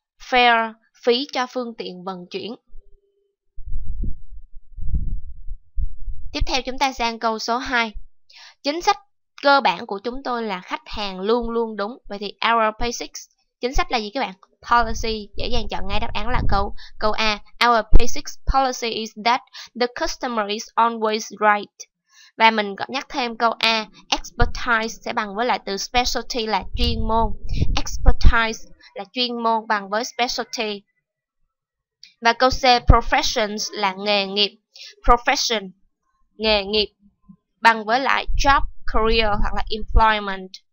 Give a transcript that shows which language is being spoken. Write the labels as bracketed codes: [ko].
[vi] Fare, phí cho phương tiện vận chuyển. Tiếp theo chúng ta sang câu số 2. Chính sách cơ bản của chúng tôi là khách hàng luôn luôn đúng. Vậy thì our basics, chính sách là gì các bạn? Policy, dễ dàng chọn ngay đáp án là câu A. [en] Our basic policy is that the customer is always right. [vi] Và mình có nhắc thêm câu A, expertise sẽ bằng với lại từ specialty là chuyên môn. Expertise là chuyên môn bằng với specialty. Và câu C, professions là nghề nghiệp. Profession, nghề nghiệp bằng với lại job, career hoặc là employment.